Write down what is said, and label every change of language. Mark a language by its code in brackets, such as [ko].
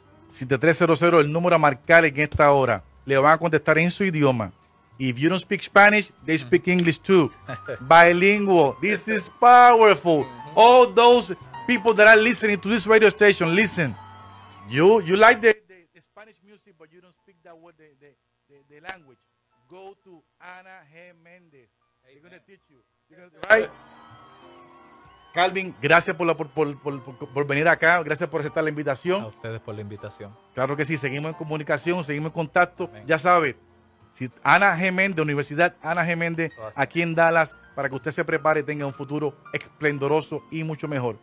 [es] 469-341-7300, el número a marcar en esta hora. Le van a contestar en su idioma. [en] If you don't speak Spanish, they speak English too. Bilingual. This is powerful. All those people that are listening to this radio station, listen. You like the Spanish music, but you don't speak that word, the language. Go to Ana G. Méndez. They're going to teach you. Right? [es] Calvin, gracias por venir acá. Gracias por aceptar la invitación. A ustedes por la invitación. Claro que sí. Seguimos en comunicación, seguimos en contacto. Amén. Ya sabes, si Ana G. Méndez, Universidad Ana G. Méndez, aquí en Dallas, para que usted se prepare y tenga un futuro esplendoroso y mucho mejor.